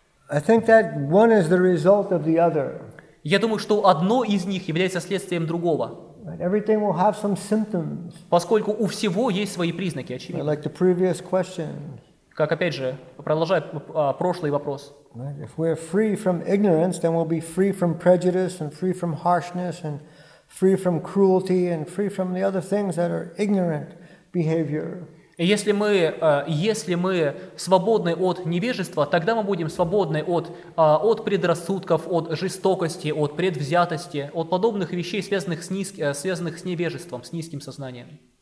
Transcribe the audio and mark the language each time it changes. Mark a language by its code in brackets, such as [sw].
[en] I think that one is the result of the other. [ru] Я думаю, что одно из них является следствием другого. [en] Everything will have some symptoms. [ru] Поскольку у всего есть свои признаки, очевидно. [en] Like the previous question. [ru] Как опять же, продолжая прошлый вопрос. [en] If we're free from ignorance, then we'll be free from prejudice and free from harshness and free from cruelty and free from the other things that are ignorant. [ru] Если мы свободны от невежества, тогда мы будем свободны от предрассудков, от жестокости, от предвзятости, от подобных вещей, связанных с невежеством, с низким сознанием.